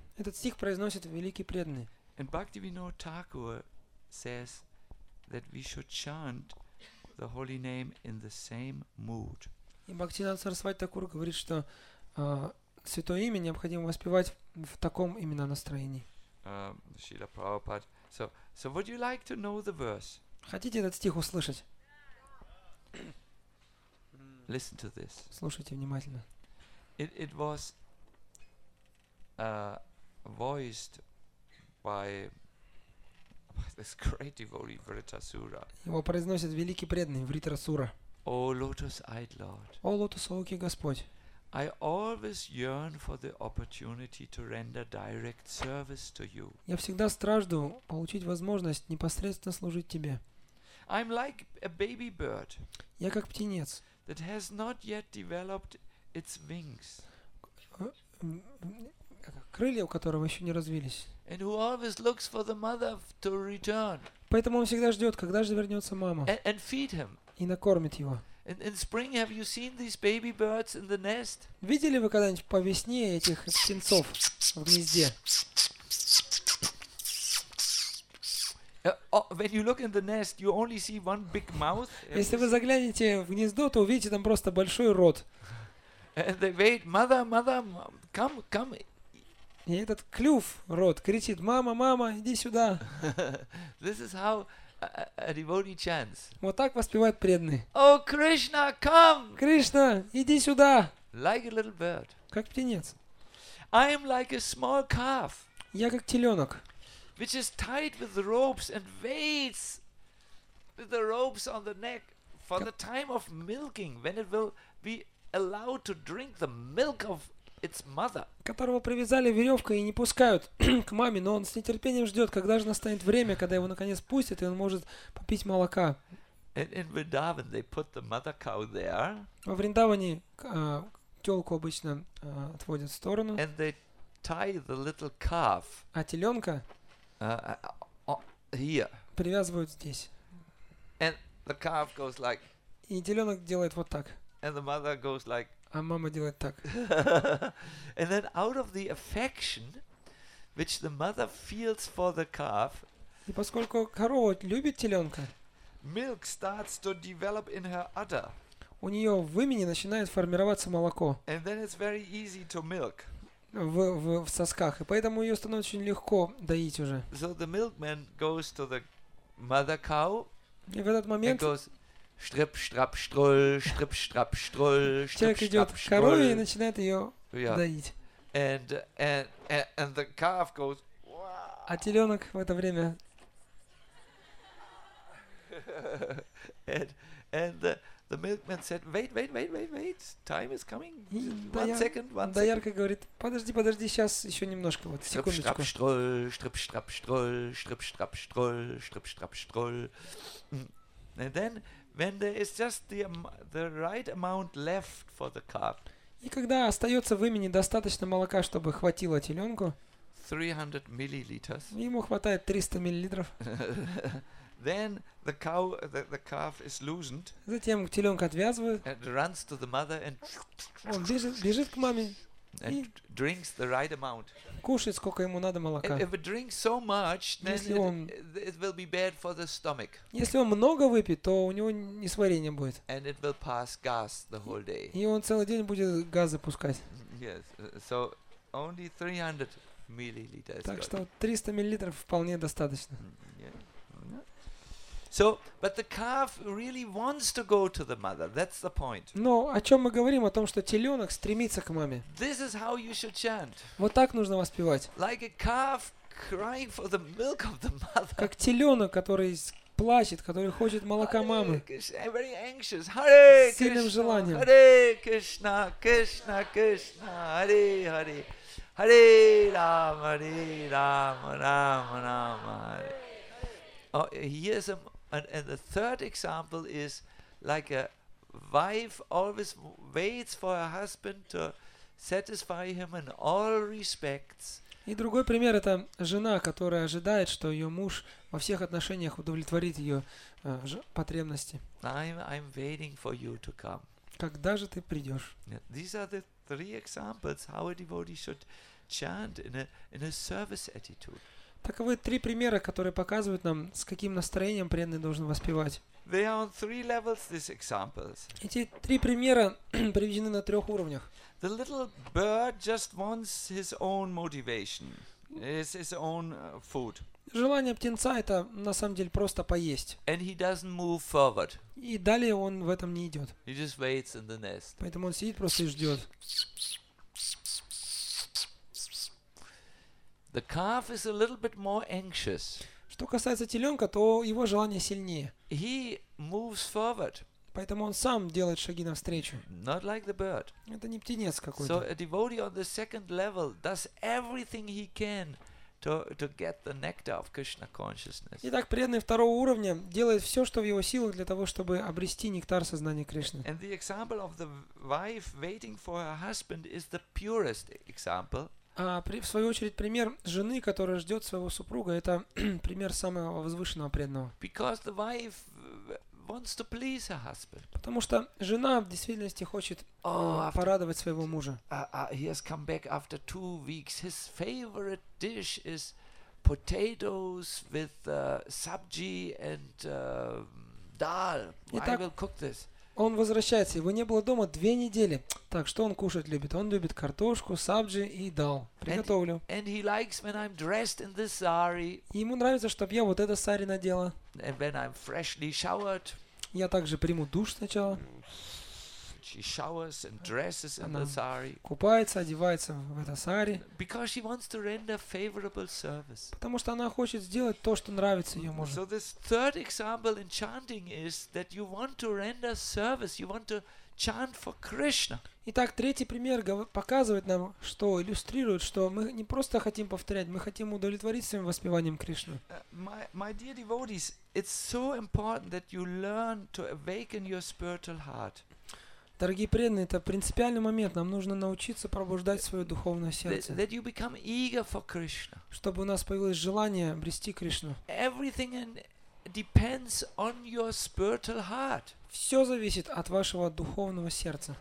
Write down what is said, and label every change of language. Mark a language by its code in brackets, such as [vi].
[ru] Этот стих произносит великий преданный. [en] And Bhaktivinoda Thakur says that we should chant the holy name in the same mood. [ru] И Бхактивинода Сарасвати Такур говорит, что святое имя необходимо воспевать в таком именно настроении. Шрила Прабхупад. [en] So would you like to know the verse? [ru] Хотите этот стих услышать? [en] Listen to this. [ru] Слушайте внимательно. [en] It was voiced by this great devotee Vritasura. [ru] Его произносит великий преданный Вритрасура. [en] О, лотос-айд лорд. [ru] О, лотос-окий Господь. [en] I always yearn for the opportunity to render direct service to you. [ru] Я всегда стражду получить возможность непосредственно служить тебе. [en] I'm like a baby bird. [ru] Я как птенец. [en] That has not yet developed its wings. [ru] Крылья у которого еще не развились. [en] And who always looks for the mother to return. [ru] Поэтому он всегда ждет, когда же вернется мама. [en] And feed him. [ru] И накормит его. [en] In spring, have you seen these baby birds in the nest? [ru] Видели вы когда-нибудь по весне этих птенцов в гнезде? [en] When you look in the nest, you only see one big mouth. [ru] Если вы заглянете в гнездо, то увидите там просто большой рот. [en] And they wait, mother, mother, come, come. [ru] И этот клюв, рот, кричит: «Мама, мама, иди сюда!» [en] This is how a devotee chants. [ru] Вот так воспевает преданный. [en] О, Кришна, come! [ru] Кришна, иди сюда! [en] Like a little bird. [ru] Как птенец. [en] I am like a small calf. [ru] Я как теленок. [en] Which is tied with ropes and waits with the ropes on the neck for the time of milking, when it will be allowed to drink the milk of its mother. [ru] Которого привязали веревкой и не пускают к маме, но он с нетерпением ждет, когда же настанет время, когда его наконец пустят, и он может попить молока. [en] In Vrindavan they put the mother cow there. [ru] Во Вриндаване телку обычно отводят в сторону. [en] And they tie the little calf. [ru] А теленка [en] here. [ru] Привязывают здесь. [en] And the calf goes like. [ru] И теленок делает вот так. [en] And the mother goes like, [ru] а мама делает так. [en] And then out of the affection which the mother feels for the calf, [ru] и поскольку корова любит теленка, [en] milk starts to develop in her udder. [ru] У нее в вымени начинает формироваться молоко. [en] And then it's very easy to milk. [ru] В сосках, и поэтому ее становится очень легко доить уже. [en] So the milkman goes to the mother cow. [ru] И в этот момент Человек идет к корове и начинает ее доить. [en] And the calf goes, wow. [ru] А теленок в это время. [en] And the milkman said, wait, time is coming. One second. [ru] Доярка говорит, подожди, сейчас еще немножко, вот секундочку. [en] Strip, strap, stroll. And then when there is just the right amount left for the calf. [ru] И когда остается в имени достаточно молока, чтобы хватило теленку, [en] 300 milliliters. [ru] Ему хватает 300 миллилитров. [en] Then the cow, the calf is loosened. [ru] Затем теленка отвязывают. [en] And runs to the mother and. [ru] Он бежит к маме. [en] And drinks the right amount. [ru] Кушает сколько ему надо молока. [en] If it drinks so much, then it will be bad for the stomach. [ru] Если он много выпьет, то у него несварение будет. [en] And it will pass gas the whole day. [ru] И он целый день будет газы пускать. [en] Yes, so only 300 milliliters. [ru] Так что 300 миллилитров вполне достаточно. [en] So, but the calf really wants to go to the mother. That's the point. [ru] Но о чем мы говорим? О том, что теленок стремится к маме. [en] This is how you should chant. [ru] Вот так нужно воспевать. [en] Like a calf crying for the milk of the mother. [ru] Как теленок, который плачет, который хочет молока мамы. [en] Very anxious. Hare Krishna. [ru] Сильным желанием. [sa] Hare Krishna, Krishna, Krishna. Hare Hare. Hare Rama, Hare Rama, Rama Rama. [en] Oh, here is and the third example is like a wife always waits for her husband to satisfy him in all respects. [ru] И другой пример — это жена, которая ожидает, что ее муж во всех отношениях удовлетворит ее потребности. [en] I'm waiting for you to come. [ru] Когда же ты придешь? [en] Yeah, these are the three examples how a devotee should chant in a service attitude. [ru] Таковы три примера, которые показывают нам, с каким настроением преданный должен воспевать. Эти три примера приведены на трех уровнях. [en] The little bird just wants his own motivation, his own food. [ru] Желание птенца — это на самом деле просто поесть. [en] And he doesn't move forward. [ru] И далее он в этом не идет. [en] He just waits in the nest. [ru] Поэтому он сидит просто и ждет. [en] The calf is a little bit more anxious. [ru] Что касается теленка, то его желание сильнее. [en] He moves forward. [ru] Поэтому он сам делает шаги навстречу. [en] Not like the bird. [ru] Это не птенец какой-то. [en] So a devotee on the second level does everything he can to get the nectar of Krishna consciousness. [ru] Итак, преданный второго уровня делает все, что в его силах для того, чтобы обрести нектар сознания Кришны. [en] And the example of the wife waiting for her husband is the purest example. [ru] В свою очередь, пример жены, которая ждет своего супруга, это пример самого возвышенного преданного. [en] Because the wife wants to please her husband. [ru] Потому что жена в действительности хочет порадовать своего мужа. [en] He has come back after 2 weeks. His favorite dish is potatoes with sabji and dal. [ru] Итак, [en] I will cook this. [ru] Он возвращается. Его не было дома 2 недели. Так, что он кушать любит? Он любит картошку, сабджи и дал. Приготовлю. [en] And he likes when I'm dressed in this sari. [ru] Ему нравится, чтобы я вот это сари надела. [en] And when I'm freshly showered. [ru] Я также приму душ сначала. [en] She showers and dresses in the sari. [ru] Купается, одевается в это сари. [en] Because she wants to render favorable service. [ru] Потому что она хочет сделать то, что нравится ее мужу. [en] So this third example in chanting is that you want to render service. You want to chant for Krishna. [ru] Итак, третий пример показывает нам, что иллюстрирует, что мы не просто хотим повторять, мы хотим удовлетворить своим воспеванием Кришны. [en] My dear devotees, it's so important that you learn to awaken your spiritual heart. [ru] Дорогие преданные, это принципиальный момент. Нам нужно научиться пробуждать свое духовное сердце. [en] That you become eager for Krishna. [ru] Чтобы у нас появилось желание обрести Кришну. [en] Everything depends on your spiritual heart. [ru] Все зависит от вашего духовного сердца.